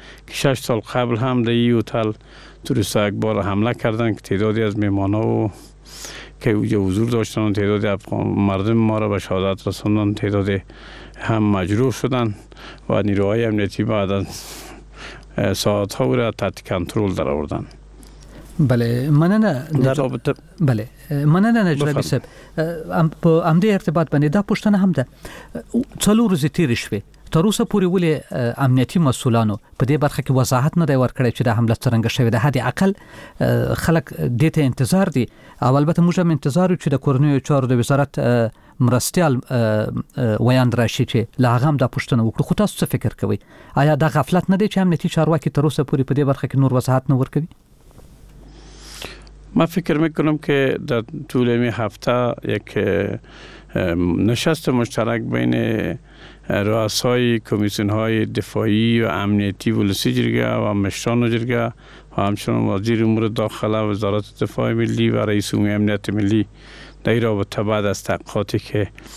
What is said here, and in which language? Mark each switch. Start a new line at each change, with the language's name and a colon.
Persian: که 6 سال قبل هم در این اوتل تروریست ها یک بار حمله کردن که تعدادی از میمان ها و که اوجه حضور داشتن و تعدادی مردم ما را به شهادت رساندن، تعدادی هم مجروح شدن و نیروهای امنیتی بعد از ساعت ها را تحت کنترل در آوردن.
Pashto: بله مننه
Persian: در رابطه
Pashto: بله مننه نجربی صاحب، په امده ارتباط باندې دا پوښتنه هم ده، څلور ورځې تیرې شوې، تر اوسه پورې ولې امنیتي مسؤولانو په دې برخه کې وضاحت نه دی ورکړی چې دا حمله څرنګه شوې ده؟ حد اقل خلک دې ته انتظار دي، او البته موږ هم انتظار یو چې د کورنیو چارو د وزارت مرستیال ویاند راشي چې له هغه هم دا پوښتنه وکړو. خو تاسو څه فکر کوئ، آیا دا غفلت نه دی چې امنیتي چارواکي تر اوسه پورې په دې برخه کې نور وضاحت نه ورکوي؟
Persian: ما فکر میکنم که در طول این هفته یک نشست مشترک بین رؤسای کمیسیون های دفاعی و امنیتی ولسی جرگه و مشتان جرگه و همچنان وزیر امور داخله و وزارت دفاع ملی و رئیس عمومی امنیت ملی در این رابطه بعد از تحقیقاتی که